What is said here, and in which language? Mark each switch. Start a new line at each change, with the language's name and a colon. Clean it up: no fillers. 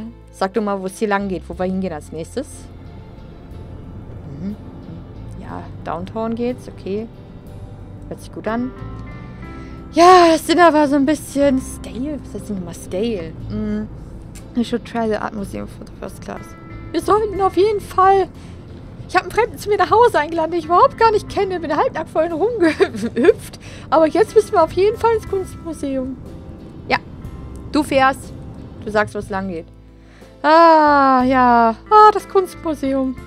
German: Sag du mal, wo es hier lang geht. Wo wir hingehen als nächstes? Mhm. Ja, downtown geht's, okay. Hört sich gut an. Ja, das Dinner war so ein bisschen stale. Was heißt denn nochmal stale?
English: Mhm. I should try the art museum for the first class.
German: Wir sollten auf jeden Fall. Ich habe einen Fremden zu mir nach Hause eingeladen, den ich überhaupt gar nicht kenne. Bin halb nackt vorhin rumgehüpft. Aber jetzt müssen wir auf jeden Fall ins Kunstmuseum. Ja, du fährst. Du sagst, wo es lang geht. Ah, ja. Ah, das Kunstmuseum.